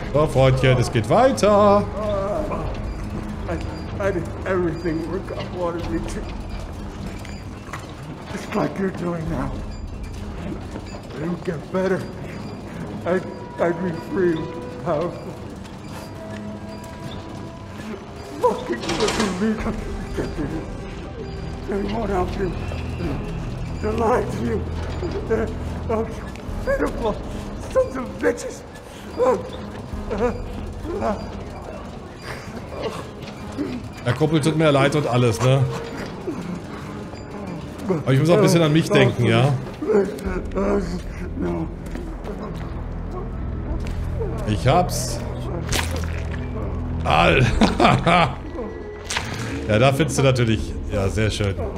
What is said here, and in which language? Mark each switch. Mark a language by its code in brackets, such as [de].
[de] Freundchen, es geht weiter. [en] I did everything Rick wanted me to. Just like you're doing now. It'll get better. I'd be free and powerful. Fucking look at me. They won't help you. They lied to you. They're pitiful sons of bitches. [de] Der Kumpel tut mir leid und alles, ne? Aber ich muss auch ein bisschen an mich denken, ja? Ich hab's. Ja, da findest du natürlich. Ja, sehr schön.